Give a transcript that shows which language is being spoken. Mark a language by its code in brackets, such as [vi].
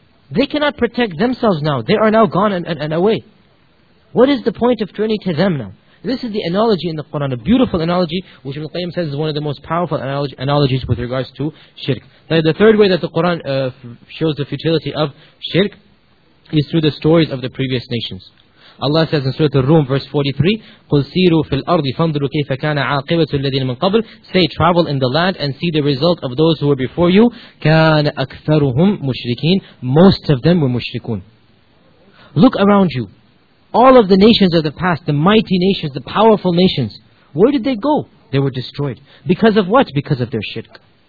[en] They cannot protect themselves now. They are now gone and away. What is the point of turning to them now? This is the analogy in the Quran, a beautiful analogy, which Ibn Qayyim says is one of the most powerful analogies with regards to shirk. The third way that the Quran shows the futility of shirk is through the stories of the previous nations. Allah says in Surah Al-Rum, verse 43, [ar] قُلْ سِيرُوا فِي الْأَرْضِ فَانْظُرُوا كَيْفَ كَانَ عَاقِبَةُ الَّذِينَ مِنْ قَبْلِ. [en] Say, travel in the land and see the result of those who were before you. [ar] كَانَ أَكْثَرُهُمْ مُشْرِكِينَ. [en] Most of them were mushrikun. Look around you. All of the nations of the past, the mighty nations, the powerful nations, where did they go? They were destroyed. Because of what? Because of their shirk.